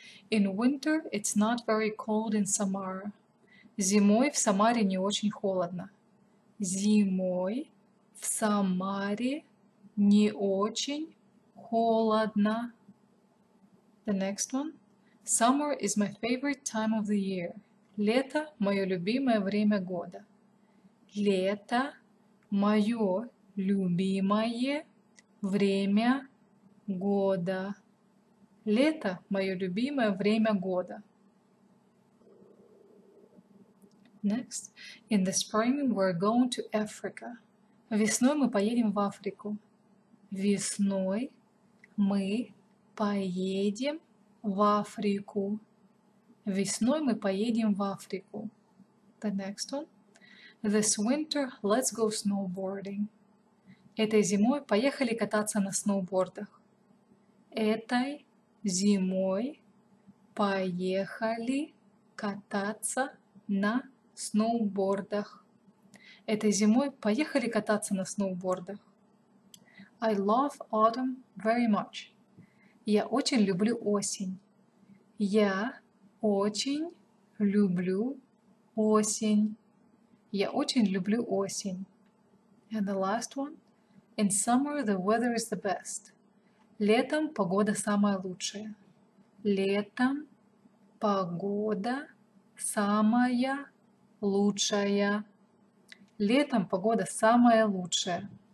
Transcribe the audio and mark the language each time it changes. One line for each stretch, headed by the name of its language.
English: In winter, it's not very cold in Samara.
Russian: Зимой в Самаре не очень холодно. Зимой в Самаре не очень холодно.
English: The next one. Summer is my favorite time of the year.
Russian: Лето – мое любимое время года. Лето – мое любимое время года. Лето – мое любимое время года.
English: Next. In the spring, we're going to Africa.
Russian: Весной мы поедем в Африку. Весной мы поедем в Африку. Весной мы поедем в Африку.
English: The next one. This winter, let's go snowboarding.
Russian: Этой зимой поехали кататься на сноубордах. Этой зимой поехали кататься на сноубордах. Этой зимой поехали кататься на сноубордах.
English: I love autumn very much.
Russian: Я очень люблю осень. Я очень люблю осень. Я очень люблю осень.
English: And the last one. In summer the weather is the best.
Russian: Летом погода самая лучшая. Летом погода самая лучшая. Летом погода самая лучшая.